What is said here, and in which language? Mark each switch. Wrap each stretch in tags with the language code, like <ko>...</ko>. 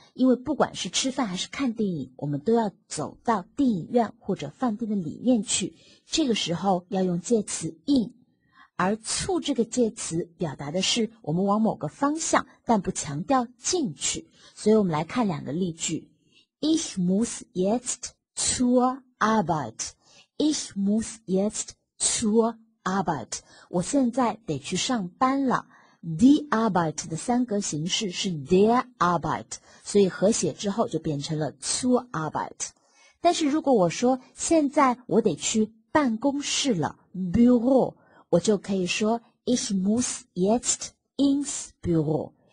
<zh>因为不管是吃饭还是看电影，我们都要走到电影院或者饭店的里面去，这个时候要用介词 in。而醋这个介词表达的是我们往某个方向，但不强调进去。所以我们来看两个例句。</zh> <de>Ich muss jetzt zur Arbeit. Ich muss jetztZur Arbeit,</de> <zh>我现在得去上班了。 Die Arbeit 的三格形式是 der Arbeit, 所以和谐之后就变成了 zur Arbeit。但是如果我说现在我得去办公室了 ,Büro, 我就可以说</zh> <de>Ich muss jetzt ins Büro。</de>